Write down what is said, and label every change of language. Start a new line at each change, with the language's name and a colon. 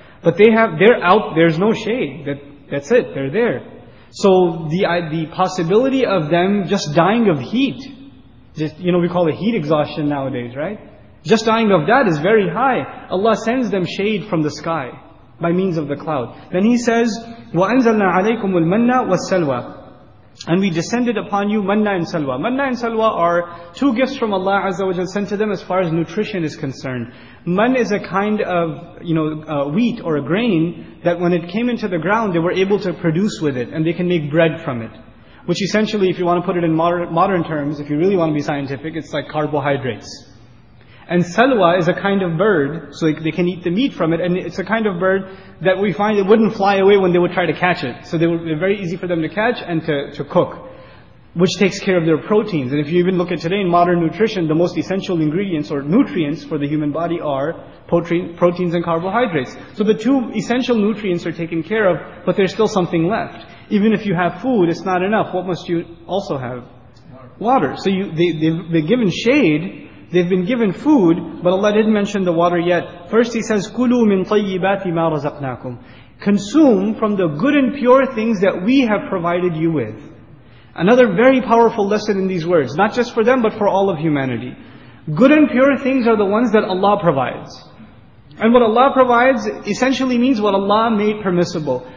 English: But they're out, there's no shade. That's it, they're there. So the possibility of them just dying of heat, just, you know, we call it heat exhaustion nowadays, right? Just dying of that is very high. Allah sends them shade from the sky by means of the cloud.
Arabic: Then He says, وَأَنزَلْنَا عَلَيْكُمُ الْمَنَّ وَالسَّلْوَى.
English: And we descended upon you manna and salwa. Manna and salwa are two gifts from Allah Azza wa Jal sent to them as far as nutrition is concerned. Manna is a kind of, you know, wheat or a grain that when it came into the ground, they were able to produce with it and they can make bread from it. Which essentially, if you want to put it in modern terms, if you really want to be scientific, it's like carbohydrates. And salwa is a kind of bird, so they can eat the meat from it, and it's a kind of bird that we find it wouldn't fly away when they would try to catch it. So they were very easy for them to catch and to cook, which takes care of their proteins. And if you even look at today in modern nutrition, the most essential ingredients or nutrients for the human body are proteins and carbohydrates. So the two essential nutrients are taken care of, but there's still something left. Even if you have food, it's not enough. What must you also have? Water. So they've been given shade, they've been given food, but Allah didn't mention the water yet.
Arabic: First He says, كُلُوا مِن طَيِّبَاتِ مَا رَزَقْنَاكُمْ.
English: Consume from the good and pure things that we have provided you with. Another very powerful lesson in these words, not just for them, but for all of humanity. Good and pure things are the ones that Allah provides. And what Allah provides essentially means what Allah made permissible.